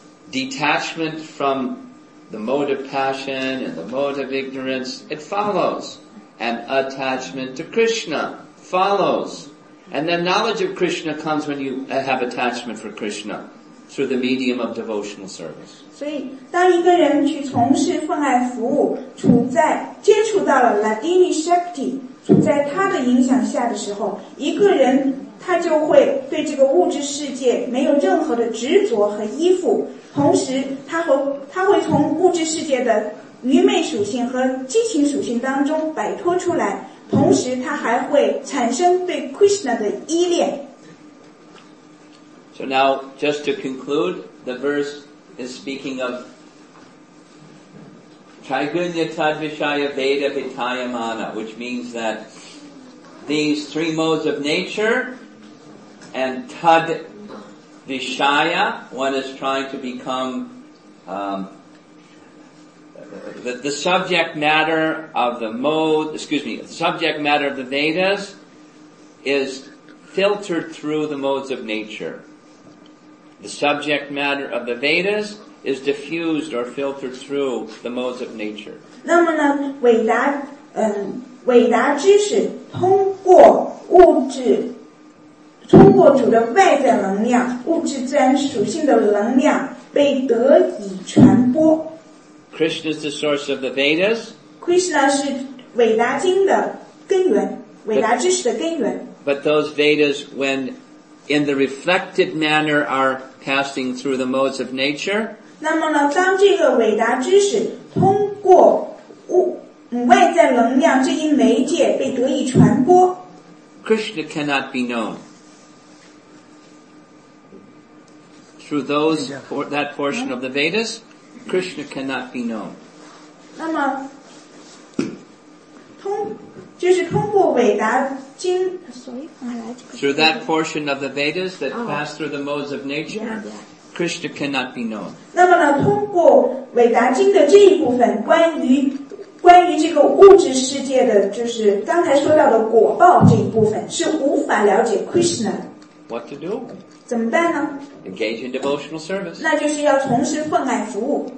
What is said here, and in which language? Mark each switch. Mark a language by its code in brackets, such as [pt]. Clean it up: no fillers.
[en] Detachment from the mode of passion and the mode of ignorance, it follows. And attachment to Krishna follows. And then knowledge of Krishna comes when you have attachment for Krishna. Through the medium of devotional service. [zh] 所以当一个人去从事奉爱服务处在接触到了 Ladini Shakti 处在他的影响下的时候一个人他就会对这个物质世界没有任何的执着和依附同时他会从物质世界的愚昧属性和激情属性当中摆脱出来同时他还会产生对 Krishna 的依恋 [en] So now, just to conclude, the verse is speaking of [sa] Chaigunya Tadvishaya Veda Vitayamana, [en] which means that these three modes of nature and Tadvishaya, one is trying to become the subject matter of the mode, excuse me, the subject matter of the Vedas is filtered through the modes of nature. The subject matter of the Vedas is diffused or filtered through the modes of nature. [zh] 那么呢，伟达知识通过物质，通过主的外在能量，物质自然属性的能量，被得以传播。 [en] Krishna is the source of the Vedas. [zh] Krishna 是伟达经的根源，伟达知识的根源。 [en] But those Vedas, when in the reflected manner, are passing through the modes of nature. [zh] 那么呢，当这个伟达知识通过外在能量这一媒介被得以传播。 [en] Krishna cannot be known through those for that portion of the Vedas. Krishna cannot be known. [zh] 那么，就是通过伟达经 [en] through that portion of the Vedas that pass through the modes of nature, Krishna cannot be known. [zh] 那么呢，通过伟达经的这一部分，关于这个物质世界的，就是刚才说到的果报这一部分，是无法了解 Krishna。 [en] What to do? [zh] 怎么办呢？ [en] Engage in devotional service. [zh] 那就是要从事奉爱服务。